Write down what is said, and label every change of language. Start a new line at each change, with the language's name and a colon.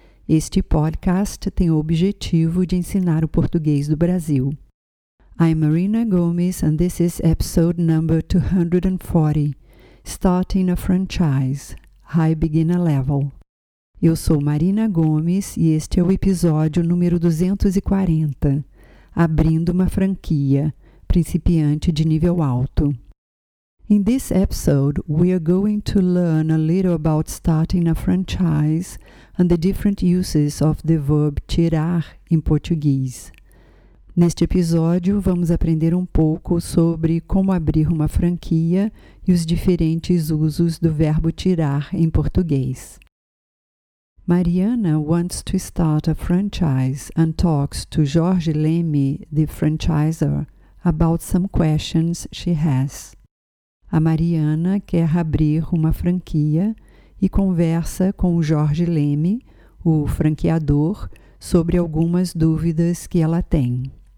Portuguese: Este podcast tem o objetivo de ensinar o português do Brasil.
English: I'm Marina Gomes and this is episode number 240, Starting a Franchise, High Beginner Level.
Portuguese: Eu sou Marina Gomes e este é o episódio número 240, Abrindo uma Franquia, Principiante de Nível Alto.
English: In this episode, we are going to learn a little about starting a franchise and the different uses of the verb tirar in Portuguese.
Portuguese: Neste episódio, vamos aprender um pouco sobre como abrir uma franquia e os diferentes usos do verbo tirar em português.
English: Mariana wants to start a franchise and talks to Jorge Leme, the franchisor, about some questions she has.
Portuguese: A Mariana quer abrir uma franquia e conversa com o Jorge Leme, o franqueador, sobre algumas dúvidas que ela tem.